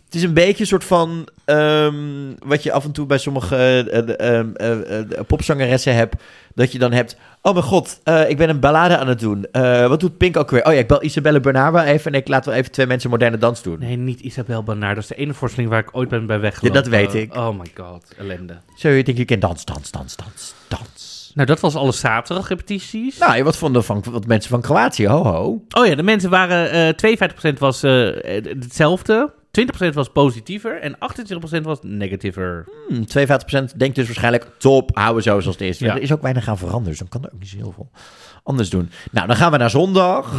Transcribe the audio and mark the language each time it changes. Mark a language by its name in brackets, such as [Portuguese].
[Dutch] Het is een beetje een soort van wat je af en toe bij sommige popzangeressen hebt. Dat je dan hebt, oh mijn god, ik ben een ballade aan het doen. Wat doet Pink ook weer? Oh ja, ik bel Isabelle Bernard wel even en ik laat wel even 2 mensen moderne dans doen. Nee, niet Isabelle Bernard. Dat is de ene voorstelling waar ik ooit ben bij weggelopen. Ja, dat weet ik. Oh my god, ellende. [English] So you think you can dance, dance, dance, dance, dance. [Dutch] Nou, dat was alle zaterdag repetities. Nou, wat vonden wat mensen van Kroatië? Ho, ho. Oh ja, de mensen waren... 52% was hetzelfde. 20% was positiever. En 28% was negatiever. 52% denkt dus waarschijnlijk... Top, houden zo zoals het is. Ja. Er is ook weinig aan veranderen. Dus dan kan er ook niet zo heel veel anders doen. Nou, dan gaan we naar zondag.